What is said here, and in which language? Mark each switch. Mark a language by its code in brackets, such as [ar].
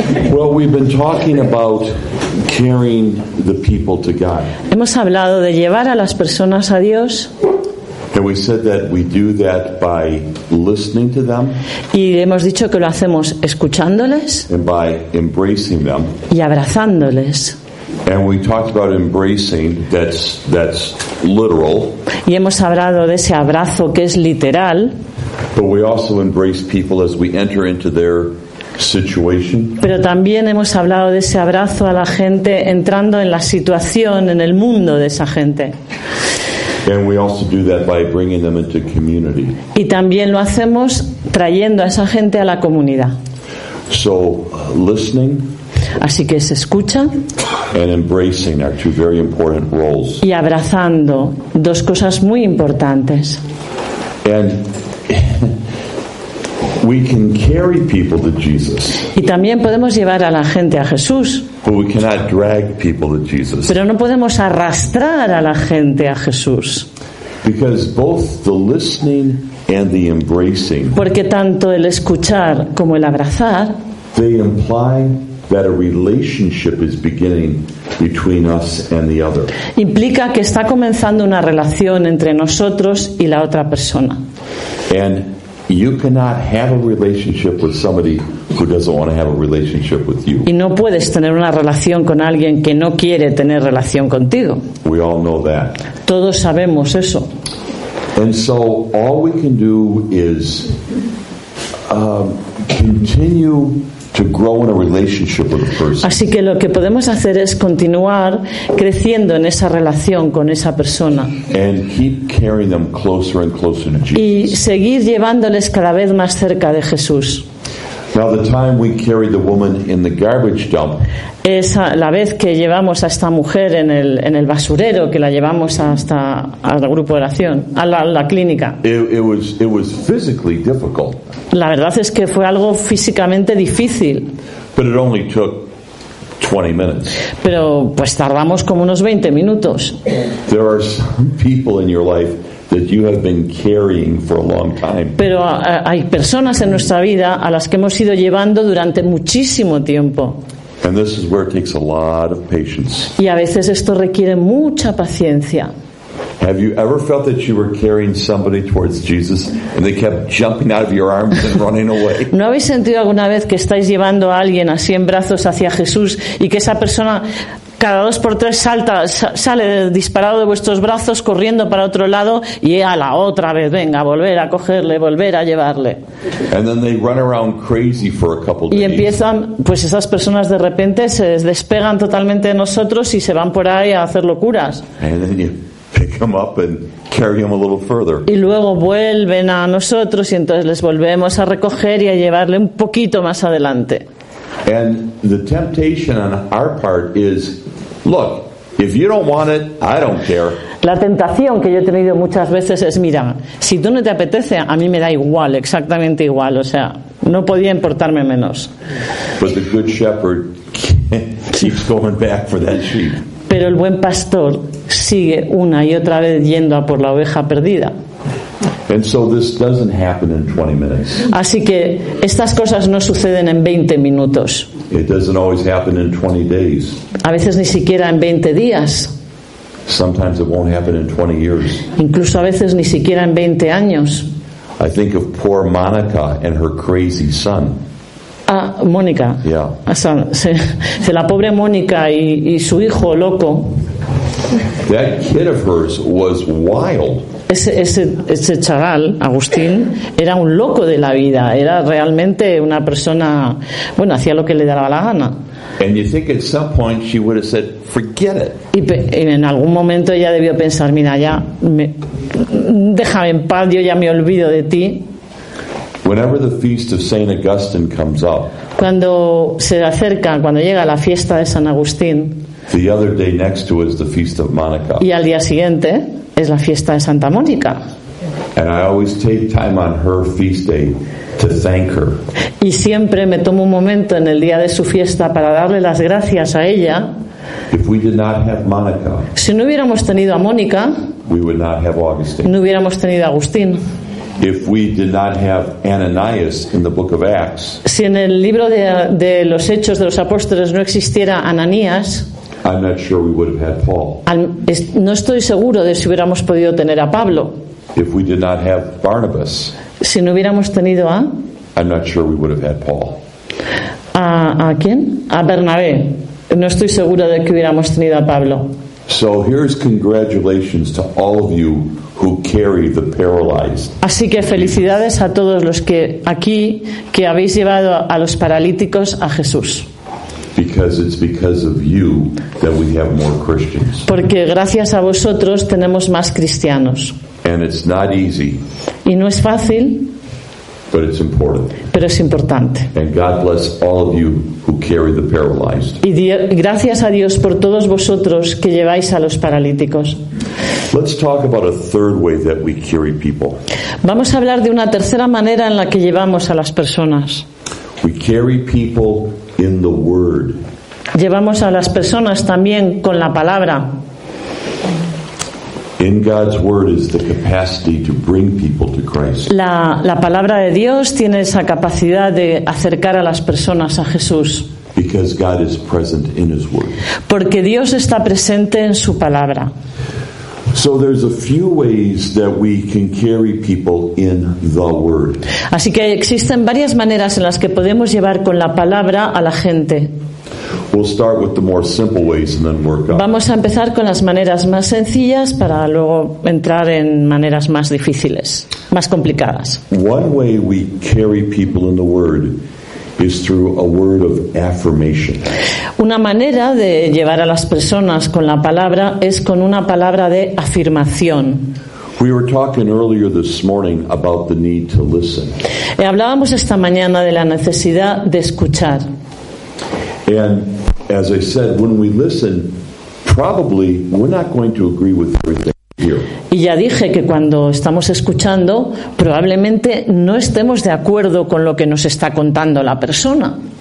[en] Well, we've been talking about carrying the people to God. [es] Hemos hablado de llevar a las personas a Dios. [en] And we said that we do that by listening to them. [es] Y hemos dicho que lo hacemos escuchándoles. [en] And by embracing them. [es] Y abrazándoles. [en] And we talked about embracing, that's literal. [es] Y hemos hablado de ese abrazo que es literal. [en] But we also embrace people as we enter into their situation. [es] Pero también hemos hablado de ese abrazo a la gente entrando en la situación, en el mundo de esa gente. [en] And we also do that by bringing them into community. [es] Y también lo hacemos trayendo a esa gente a la comunidad. [en] So, listening. [es] Así que se escucha. [en] And embracing are two very important roles. [es] Y abrazando, dos cosas muy importantes. [en] And we can carry people to Jesus. [es] Y también podemos llevar a la gente a Jesús. [en] But we cannot drag people to Jesus. [es] Pero no podemos arrastrar a la gente a Jesús. [en] Because both the listening and the embracing. [es] Porque tanto el escuchar como el abrazar. [en] They imply that a relationship is beginning between us and the other. [es] Implica que está comenzando una relación entre nosotros y la otra persona. [en] And you cannot have a relationship with somebody who doesn't want to have a relationship with you. [es] Y no puedes tener una relación con alguien que no quiere tener relación contigo. [en] We all know that. [es] Todos sabemos eso. [en] And so all we can do is continue to grow in a relationship with a person. [es] Así que lo que podemos hacer es continuar creciendo en esa relación con esa persona. [en] And keep carrying them closer and closer to Jesus. [es] Y seguir llevándoles cada vez más cerca de Jesús. [en] Now the time we carried the woman in the garbage dump. [es] Es la vez que llevamos a esta mujer en el basurero, que la llevamos hasta al grupo de oración, a la clínica. [en] It was physically difficult. [es] La verdad es que fue algo físicamente difícil. [en] But it only took 20 minutes. [es] Pero pues tardamos como unos 20 minutos. [en] There are some people in your life that you have been carrying for a long time. [es] Pero hay personas en nuestra vida a las que hemos ido llevando durante muchísimo tiempo. [en] And this is where it takes a lot of patience. [es] Y a veces esto requiere mucha paciencia. [en] Have you ever felt that you were carrying somebody towards Jesus and they kept jumping out of your arms and running away? [es] ¿No habéis sentido alguna vez que estáis llevando a alguien así en brazos hacia Jesús y que esa persona cada dos por tres salta, sale disparado de vuestros brazos, corriendo para otro lado, y a la otra vez, venga, volver a cogerle, volver a llevarle? [en] And then they run around crazy for a couple days. [es] Y empiezan, pues esas personas de repente se despegan totalmente de nosotros y se van por ahí a hacer locuras. [en] And then you pick them up and carry them a little further. [es] Y luego vuelven a nosotros y entonces les volvemos a recoger y a llevarle un poquito más adelante. [en] And the temptation on our part is, look, if you don't want it, I don't care. [es] La tentación que yo he tenido muchas veces es, mira, si tú no te apetece, a mí me da igual, exactamente igual, o sea, no podía importarme menos. [en] But the good shepherd keeps going back for that sheep. [es] Pero el buen pastor sigue una y otra vez yendo a por la oveja perdida. [en] And so this doesn't happen in 20 minutes. [es] Así que estas cosas no suceden en 20 minutos. [en] It doesn't always happen in 20 days. [es] A veces ni siquiera en 20 días. [en] Sometimes it won't happen in 20 years. [es] Incluso a veces ni siquiera en 20 años. [en] I think of poor Monica and her crazy son. [es] Ah, Mónica. [en] Yeah. [es] O sea, se la pobre Mónica y su hijo loco. [en] That kid of hers was wild. [es] Ese chaval, Agustín, era un loco de la vida. Era realmente una persona, bueno, hacía lo que le daba la gana. [en] And you think at some point she would have said, "Forget it." [es] Y en algún momento ella debió pensar, mira, ya, déjame en paz, yo ya me olvido de ti. [en] Whenever the feast of Saint Augustine comes up. [es] Cuando se acerca, cuando llega la fiesta de San Agustín. [en] The other day next to it is the feast of Monica. [es] Y al día siguiente. es la fiesta de Santa Mónica. [en] And I always take time on her feast day to thank her. [es] Y siempre me tomo un momento en el día de su fiesta para darle las gracias a ella. [en] If we did not have Monica, [es] si no hubiéramos tenido a Mónica, [en] we would not have Augustine. [es] No hubiéramos tenido a Agustín. [en] If we did not have Ananias in the book of Acts, [es] si en el libro de los Hechos de los Apóstoles no existiera Ananías, [en] I'm not sure we would have had Paul. [es] No estoy seguro de si hubiéramos podido tener a Pablo. [en] If we did not have Barnabas, [es] si no hubiéramos tenido a, [en] I'm not sure we would have had Paul. [es] ¿A quién? A Bernabé. No estoy segura de que hubiéramos tenido a Pablo. [en] So here's congratulations to all of you who carry the paralyzed. [es] Así que felicidades a todos los que aquí que habéis llevado a los paralíticos a Jesús. [en] Because it's because of you that we have more Christians. [es] Porque gracias a vosotros tenemos más cristianos. [en] And it's not easy. [es] Y no es fácil. [en] But it's important. [es] Pero es importante. [en] And God bless all of you who carry the paralyzed. [es] Y gracias a Dios por todos vosotros que lleváis a los paralíticos. [en] Let's talk about a third way that we carry people. [es] Vamos a hablar de una tercera manera en la que llevamos a las personas. [en] We carry people in the word. [es] Llevamos a las personas también con la palabra. [en] In God's word is the capacity to bring people to Christ. [es] La palabra de Dios tiene esa capacidad de acercar a las personas a Jesús. [en] Because God is present in his word. [es] Porque Dios está presente en su palabra. [en] So there's a few ways that we can carry people in the word. [es] Así que existen varias maneras en las que podemos llevar con la palabra a la gente. [en] We'll start with the more simple ways and then work up. [es] Vamos a empezar con las maneras más sencillas para luego entrar en maneras más difíciles, más complicadas. [en] One way we carry people in the word is through a word of affirmation. [es] Una manera de llevar a las personas con la palabra es con una palabra de afirmación. [en] We were talking earlier this morning about the need to listen. [es] Hablábamos esta mañana de la necesidad de escuchar. [en] And as I said, when we listen, probably we're not going to agree with everything here. [es] Y ya dije que cuando estamos escuchando, probablemente no estemos de acuerdo con lo que nos está contando la persona.